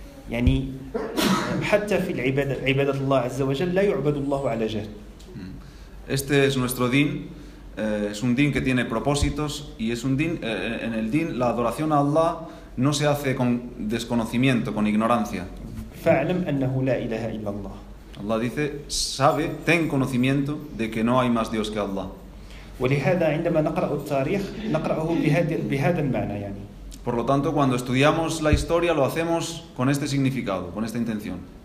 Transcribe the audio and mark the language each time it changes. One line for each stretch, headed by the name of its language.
Arabic: يعني حتى في العبادة عبادة الله عز وجل لا يعبد الله على جهل.
Spanish: Este es nuestro din. Es un din que tiene propósitos y es un din. En el din la adoración a Allah no se hace con desconocimiento, con ignorancia.
Arabic: فاعلم أنه لا إله إلا الله.
Spanish: Allah dice: sabe, ten conocimiento de que no hay más Dios que Allah.
Arabic: ولهذا عندما نقرأ التاريخ نقرأه بهذا المعنى يعني.
Spanish: Por lo tanto, cuando estudiamos la historia lo hacemos con este significado, con esta intención.